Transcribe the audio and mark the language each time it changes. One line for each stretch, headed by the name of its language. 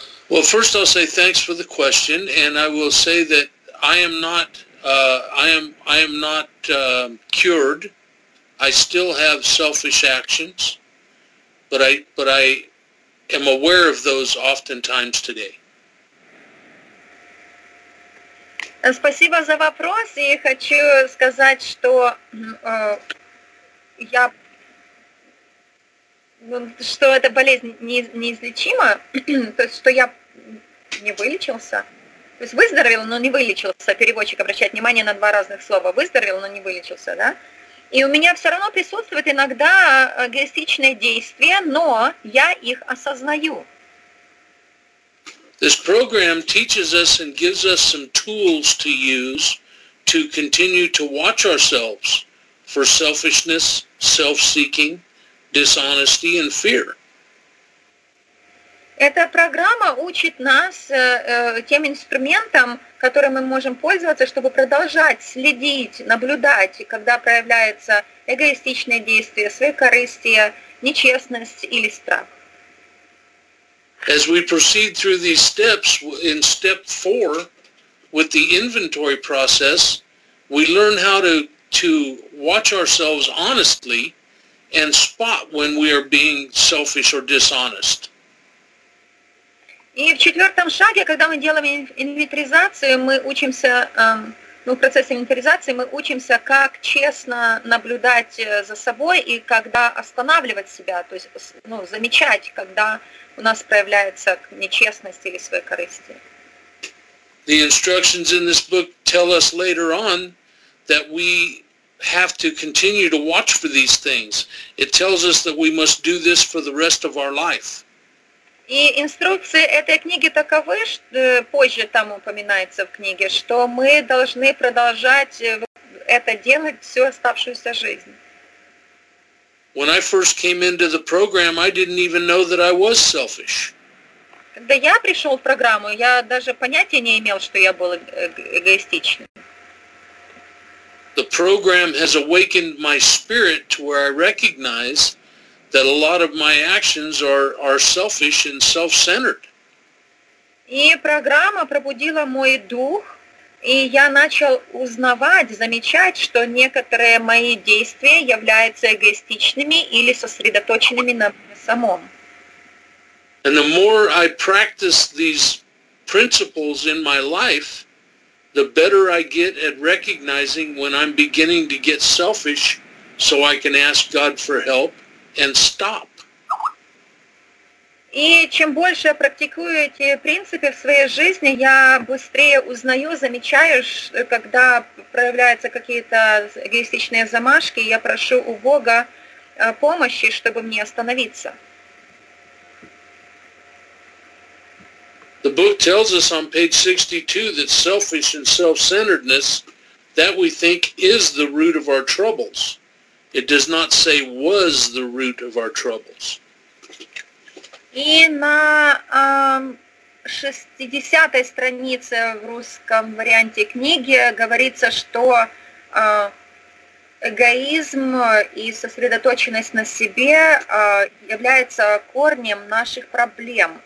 English: Well, first I'll say thanks for the question, and I will say that I am not cured. I still have selfish actions, but I am aware of those oftentimes today.
Russian: Спасибо за вопрос, и хочу сказать, что я что эта болезнь неизлечима, то есть что я не вылечился. То есть выздоровел, но не вылечился. Переводчик обращает внимание на два разных слова. Выздоровел, но не вылечился, да? И у меня все равно присутствует иногда эгоистичное действие, но я их осознаю.
English: This program teaches us and gives us some tools to use to continue to watch ourselves for selfishness, self-seeking, dishonesty, and fear.
Russian: Эта программа учит нас тем инструментам, которые мы можем пользоваться, чтобы продолжать следить, наблюдать, когда проявляется эгоистичное действие, своекорыстие, нечестность или страх.
English: As we proceed through these steps, in step 4, with the inventory process, we learn how to watch ourselves honestly and spot when we are being selfish or dishonest.
Russian: И в четвертом шаге, когда мы делаем инвентаризацию, мы учимся, в процессе инвентаризации мы учимся, как честно наблюдать за собой и когда останавливать себя, то есть замечать, когда у нас проявляется нечестность или своекорыстие.
English: The instructions in this book tell us later on that we have to continue to watch for these things. It tells us that we must do this for the rest of our life.
Russian: И инструкции этой книги таковы, что, позже там упоминается в книге, что мы должны продолжать это делать всю оставшуюся жизнь.
English: When I first came into the program, I didn't even know that I was selfish.
Russian: Когда я пришел в программу, я даже понятия не имел, что я был эгоистичным.
English: The program has awakened my spirit to where I recognize that a lot of my actions are selfish and self-centered.
Russian: И программа пробудила мой дух, и я начал узнавать, замечать, что некоторые мои действия являются эгоистичными или сосредоточенными на мне самом.
English: And the more I practice these principles in my life, the better I get at recognizing when I'm beginning to get selfish, so I can ask God for help and stop.
Russian: И чем больше я практикую эти принципы в своей жизни, я быстрее узнаю, замечаю, когда проявляются какие-то эгоистичные замашки, я прошу у Бога помощи, чтобы мне остановиться.
English: The book tells us on page 62 that selfish and self-centeredness that we think is the root of our troubles. It does not say was the root of our troubles.
Russian: И на 60-й странице в русском варианте книги говорится, что эгоизм и сосредоточенность на себе является корнем наших проблем.